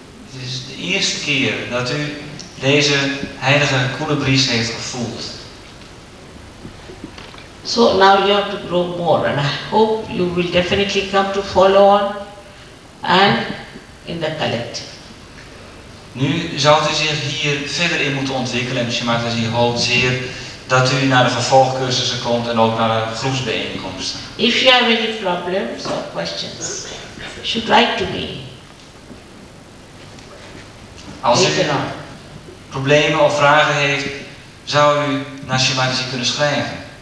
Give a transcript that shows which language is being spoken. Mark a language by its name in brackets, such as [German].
[Dutch] Het is de eerste keer dat u deze heilige koele bries heeft gevoeld. [English] So now you have to grow more and I hope you will definitely come to follow on and in the collective. [Dutch] Nu zou u zich hier verder in moeten ontwikkelen en Shri Mataji hoopt zeer dat u naar de vervolgcursussen komt en ook naar de groepsbijeenkomsten. [English] If you have any problems or questions, should write to me. [Dutch] Als u problemen of vragen heeft, zou u naar Shri Mataji kunnen schrijven.